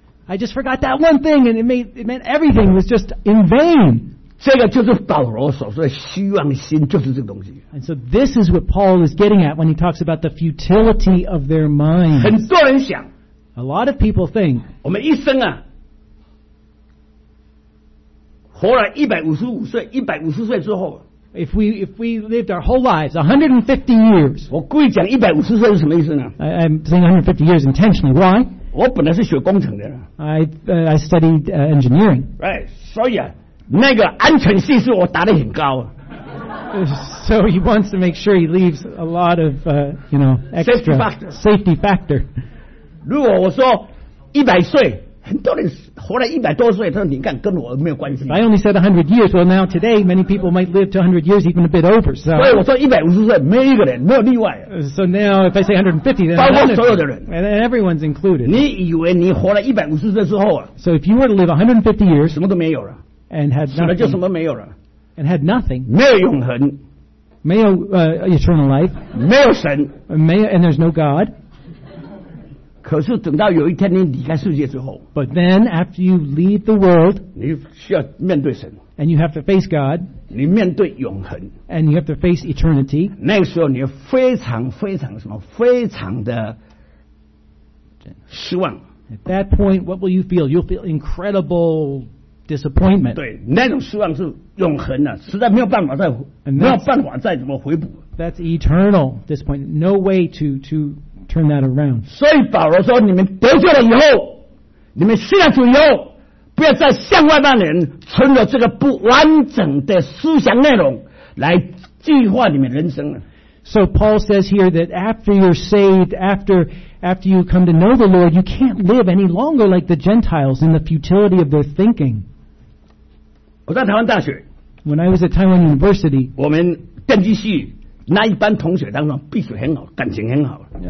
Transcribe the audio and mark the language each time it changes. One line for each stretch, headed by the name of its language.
English: I just forgot that one thing, and it meant everything was just in vain.
Chinese: 这个就是保罗所说的虚妄心,就是这个东西。
English: And so this is what Paul is getting at when he talks about the futility of their minds.
Chinese: 很多人想,
English: a lot of people think,
Chinese: 我们一生啊, 活了155岁,150岁之后,
English: if we lived our whole lives, 150 years,
Chinese: 我故意讲150岁是什么意思呢?
English: I'm saying 150 years intentionally. Why?
Chinese: 我本来是学工程的,
English: I studied engineering. Right,
Chinese: 所以啊, 那个安全系数我打得很高。
English: So he wants to make sure he leaves a lot of, you know, extra safety factor.
Chinese: 如果我说100岁, 很多人活了100多岁,他说你看跟我没有关系。
English: I only said 100 years, well now today, many people might live to 100 years, even a bit over, so.
Chinese: 所以我说150岁,每一个人,没有例外。
English: So now, if I say 150, then
Chinese: 包括所有的人,
English: and everyone's included.
Chinese: 你以为你活了150岁之后啊,
English: so if you were to live 150 years,
Chinese: 什么都没有了,
English: and had nothing,
Chinese: 什么就什么没有了,
English: and had nothing,
Chinese: 没有永恒, 没有,
English: eternal life,
Chinese: 没有神,
English: and there's no God,
Chinese: 可是等到有一天你离开世界之后,
English: but then after you leave the world,
Chinese: 你需要面对神,
English: and you have to face God,
Chinese: 你面对永恒,
English: and you have to face eternity,
Chinese: 那个时候你非常的失望。
English: At that point, what will you feel? You'll feel incredible disappointment.
Chinese: 对，那种失望是永恒的，实在没有办法再没有办法再怎么回补。
English: That's eternal disappointment. No way to turn that around.
Chinese: 所以保罗说，你们得救了以后，你们信了主以后，不要再向外邦人存着这个不完整的思想内容来计划你们人生了。
English: So Paul says here that after you're saved, after you come to know the Lord, you can't live any longer like the Gentiles in the futility of their thinking.
Chinese: 我在台湾大学。
English: When I was at Taiwan University,
Chinese: 我们电机系那一班同学当中，彼此很好，感情很好。